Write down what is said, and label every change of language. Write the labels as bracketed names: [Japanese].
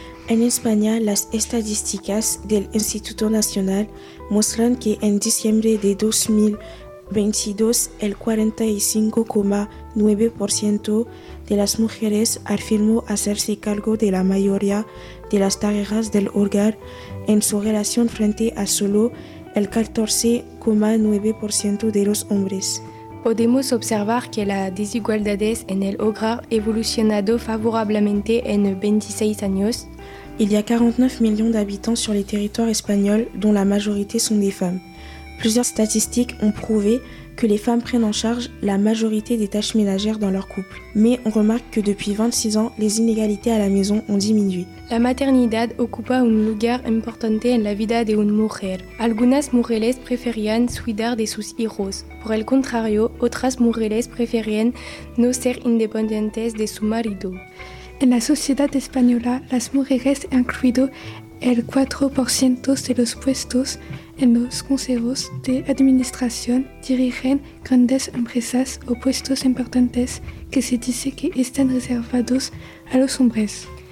[Spanish] En España, las estadísticas del Instituto Nacional muestran que en diciembre de 2022, el 45,9% de las mujeres afirmó hacerse cargo de la mayoría de las tareas del hogar en su relación frente a solo el 14,9% de los hombres. Podemos observar que la desigualdad en el hogar ha evolucionado favorablemente en 26 años. [French] Il y a 49 millions d'habitants sur les territoires espagnols, dont la majorité sont des femmes. Plusieurs statistiques ont prouvé que les femmes prennent en charge la majorité des tâches ménagères dans leur couple. Mais on remarque que depuis 26 ans, les inégalités à la maison ont diminué. [Spanish] La maternité occupa un lugar importante en la vida de una mujer. Algunas mujeres preferían cuidar de sus hijos. Por el contrario, otras mujeres preferían no ser independientes de su marido. En la sociedad española, las mujeres han incluido el 4% de los puestos en los consejos de administración, dirigen grandes empresas o puestos importantes que se dice que están reservados a los hombres.